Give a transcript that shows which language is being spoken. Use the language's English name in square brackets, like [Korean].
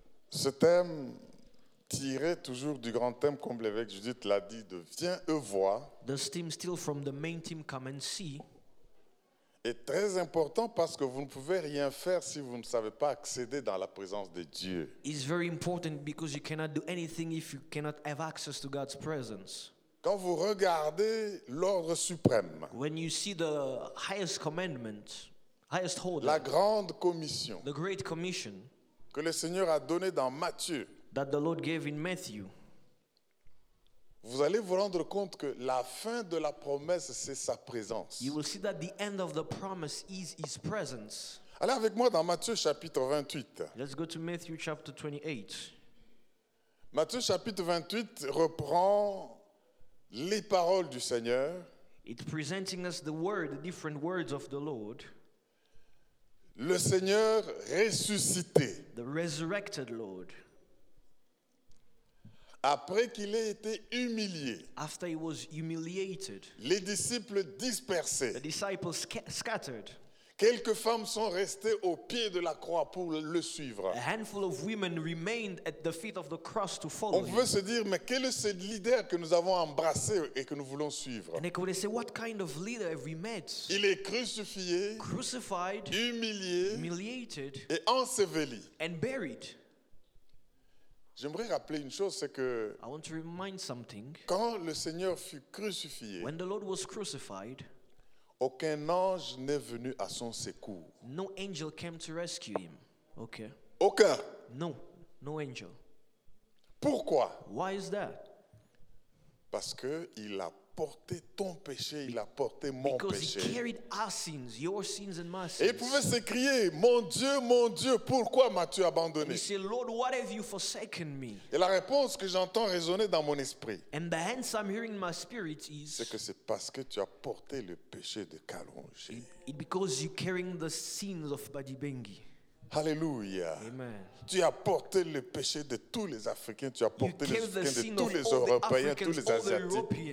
[French] Ce thème tiré toujours du grand thème comme l'évêque Judith l'a dit de viens et vois. [English] This theme still from the main theme come and see. [French] Est très important parce que vous ne pouvez rien faire si vous ne savez pas accéder dans la présence de Dieu. [English] It's very important because you cannot do anything if you cannot have access to God's presence. [French] Quand vous regardez l'ordre suprême. [English] When you see the highest commandment. Highest holder, [French] la grande commission, [English] the great commission [French] que le Seigneur a donné dans Matthieu, [English] that the Lord gave in Matthew. [French] Vous allez vous rendre compte que la fin de la promesse, c'est sa présence. [English] You will see that the end of the promise is his presence. [French] Allez avec moi dans Matthieu chapitre 28. [English] Let's go to Matthew chapter 28. [French] Matthieu chapitre 28 reprend les paroles du Seigneur. [English] It's presenting us the word, the different words of the Lord. [French] Le Seigneur ressuscité. [English] The resurrected Lord. [French] Après qu'il ait été humilié. [English] After he was humiliated. [French] Les disciples dispersés. [English] The disciples scattered. [French] Quelques femmes sont restées au pied de la croix pour le suivre. [English] A handful of women remained at the feet of the cross to follow him. [French] On veut se dire, mais quel est ce leader que nous avons embrassé et que nous voulons suivre? [English] And they could say, what kind of leader have we met? [French] Il est crucifié, [English] crucified, [French] humilié, [English] humiliated, [French] et enseveli. [English] And buried. [French] J'aimerais rappeler une chose, c'est que [English] I want to remind something. [French] Quand le Seigneur fut crucifié, [English] when the Lord was crucified, [French] aucun ange n'est venu à son secours. [English] No angel came to rescue him. Okay. [French] Aucun. [English] No, no angel. [French] Pourquoi? [English] Why is that? [French] Parce que il a porté ton péché, il a porté mon [English] because [French] péché. [English] Because he carried our sins, your sins and my sins. [French] Et il pouvait s'écrier, mon Dieu, pourquoi m'as-tu abandonné? [English] And he said, Lord, what have you forsaken me? [French] Et la réponse que j'entends résonner dans mon esprit. [English] And the answer I'm hearing in my spirit is. [French] C'est que c'est parce que tu as porté le péché de Kalonji. [English] It's because you're carrying the sins of Badibengi. [French] Alléluia. [English] Amen. [French] Tu as porté le péché de tous les Africains, tu as porté le péché de tous les Européens, tous les Asiatiques.